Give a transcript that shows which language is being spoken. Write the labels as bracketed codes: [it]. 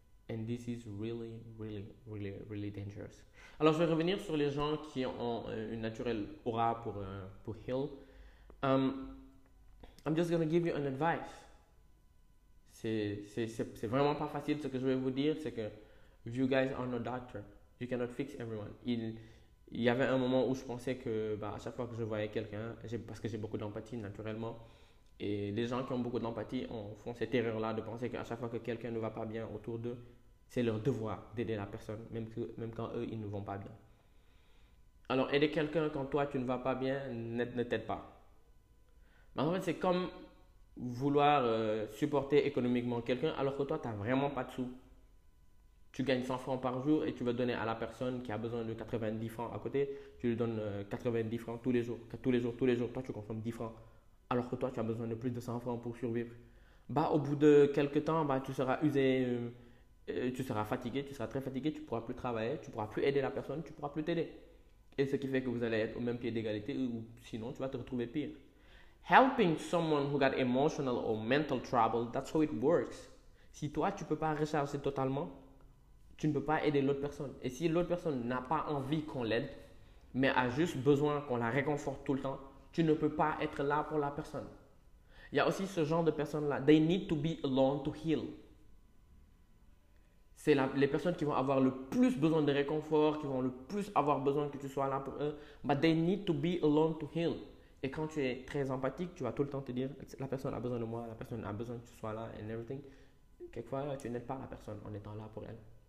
[en] And this is really, really, really, really dangerous. [fr] Alors je vais revenir sur les gens qui ont une naturelle aura pour heal. [en] I'm just gonna give you an advice. [fr] C'est vraiment pas facile ce que je vais vous dire, c'est que [en] you guys are no doctor. You cannot fix everyone. [fr] Il y avait un moment où je pensais que bah, à chaque fois que je voyais quelqu'un, parce que j'ai beaucoup d'empathie naturellement, et les gens qui ont beaucoup d'empathie font cette erreur-là de penser qu'à chaque fois que quelqu'un ne va pas bien autour d'eux, c'est leur devoir d'aider la personne, même quand eux, ils ne vont pas bien. Alors, aider quelqu'un quand toi, tu ne vas pas bien, ne t'aide pas. Mais en fait, c'est comme vouloir supporter économiquement quelqu'un alors que toi, tu n'as vraiment pas de sous. Tu gagnes 100 francs par jour et tu vas donner à la personne qui a besoin de 90 francs à côté, tu lui donnes 90 francs tous les jours. Tous les jours, tous les jours. Toi, tu consommes 10 francs alors que toi, tu as besoin de plus de 100 francs pour survivre. Bah, au bout de quelques temps, bah, tu seras usé, tu seras fatigué, tu seras très fatigué, tu ne pourras plus travailler, tu ne pourras plus aider la personne, tu ne pourras plus t'aider. Et ce qui fait que vous allez être au même pied d'égalité, ou sinon, tu vas te retrouver pire. [en] Helping someone who got emotional or mental trouble, that's how it works. [fr] Si toi, tu ne peux pas recharger totalement, tu ne peux pas aider l'autre personne. Et si l'autre personne n'a pas envie qu'on l'aide, mais a juste besoin qu'on la réconforte tout le temps, tu ne peux pas être là pour la personne. Il y a aussi ce genre de personnes-là. [en] They need to be alone to heal. [fr] C'est les personnes qui vont avoir le plus besoin de réconfort, qui vont le plus avoir besoin que tu sois là pour eux. [en] But they need to be alone to heal. [fr] Et quand tu es très empathique, tu vas tout le temps te dire, la personne a besoin de moi, la personne a besoin que tu sois là, [en] and everything. [fr] Quelquefois, tu n'aides pas la personne en étant là pour elle.